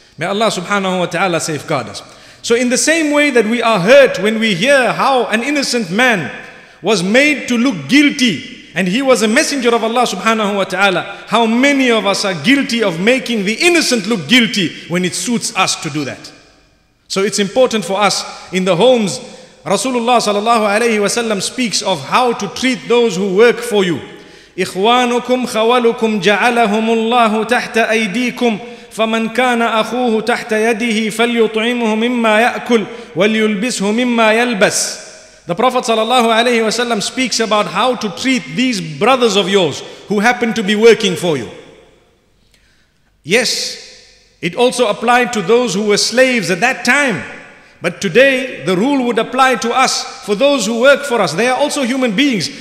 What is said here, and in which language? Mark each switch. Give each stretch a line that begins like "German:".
English: May Allah subhanahu wa ta'ala safeguard us. So in the same way that we are hurt when we hear how an innocent man was made to look guilty, and he was a messenger of Allah subhanahu wa ta'ala, how many of us are guilty of making the innocent look guilty when it suits us to do that? So it's important for us in the homes. Rasulullah sallallahu alayhi wa sallam speaks of how to treat those who work for you.
Arabic: إخوانكم خوالكم جعلهم الله تحت أيديكم فمن كان أخوه تحت يده فليطعمه مما يأكل وليلبسه مما يلبس.
English: The Prophet sallallahu alayhi wa sallam speaks about how to treat these brothers of yours who happen to be working for you. Yes, it also applied to those who were slaves at that time. But today, the rule would apply to us, for those who work for us. They are also human beings.